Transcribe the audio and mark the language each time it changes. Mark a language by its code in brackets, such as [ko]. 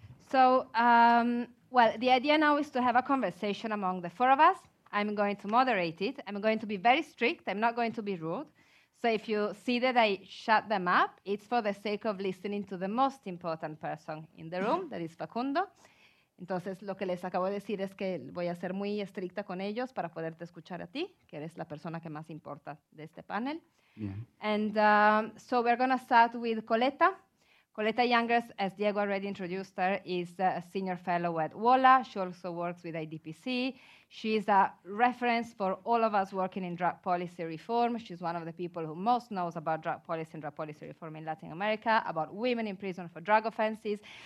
[en] So, the idea now is to have a conversation among the 4 of us. I'm going to moderate it. I'm going to be very strict. I'm not going to be rude. So if you see that I shut them up, it's for the sake of listening to the most important person in the room, that is Facundo. [es] Entonces, lo que les acabo de decir es que voy a ser muy estricta con ellos para poderte escuchar a ti, que eres la persona que más importa de este panel. [en] Yeah. And so we're going to start with Coletta. Coletta Youngers, as Diego already introduced her, is a senior fellow at WOLA. She also works with IDPC. She's a reference for all of us working in drug policy reform. She's one of the people who most knows about drug policy and drug policy reform in Latin America, about women in prison for drug offenses.